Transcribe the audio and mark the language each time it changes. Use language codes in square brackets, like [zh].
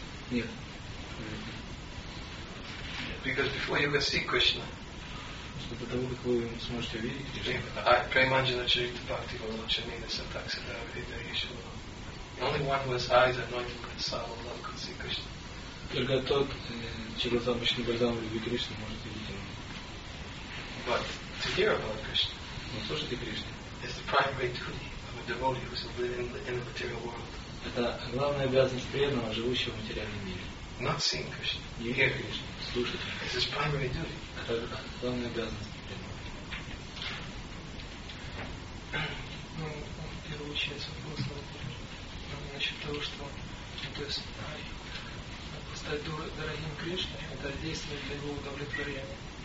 [en] Yeah. Because before you can see Krishna, only one who has eyes anointed with Sava love can see Krishna. [ru] Только тот, чего замышленный бальзам любви Кришны, может видеть его. [en] But to hear about Krishna. [ru] Но слушать о Кришне. [en] It's the primary duty of a devotee who is living in the material world. [ru] Это главная обязанность преданного, живущего в материальном мире. [en] Not seeing Krishna. [ru] Не видеть Кришну. Слушать. [en] It's his primary duty. [ru] Это главная обязанность преданного. Ну, в первую очередь, вопрос насчет того, что то есть, стать дорогим Кришне, это действие для его удовлетворения.